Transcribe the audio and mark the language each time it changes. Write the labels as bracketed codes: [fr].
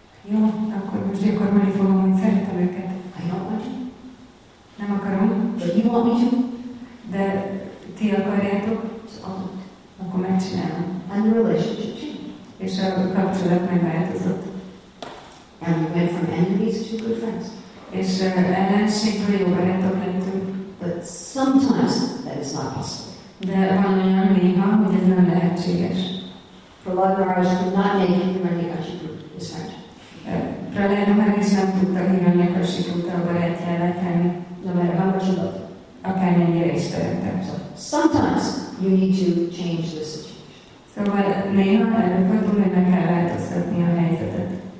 [hu] Jó, akkor most gyakorolni fogom, hogy szeretem őket. [en] I don't want you. [hu] Nem akarom. [en] But you want me to. [hu] De ti akarjátok. [en] So I'll do it. [hu] Akkor megcsinálom. [en] And the relationship changed. [hu] És a kapcsolat megváltozott. [en] And we went from enemies to good friends. [hu] És ellenségből jó barátok lettünk. [en] But sometimes that is not possible. [hu] De van olyan néha, hogy ez nem lehetséges. [en] For Lord Maharaj could not make him any Ashikru his friend. [hu] Pralaya Maharaj is nem tudta hívani a Kasikrut a barátjára letenni. [en] No matter how much you love. [hu] Akármennyire is szeretem. [en] So, sometimes you need to change the situation. [hu] Szóval néha előfordul, hogy meg kell változtatni a helyzetet.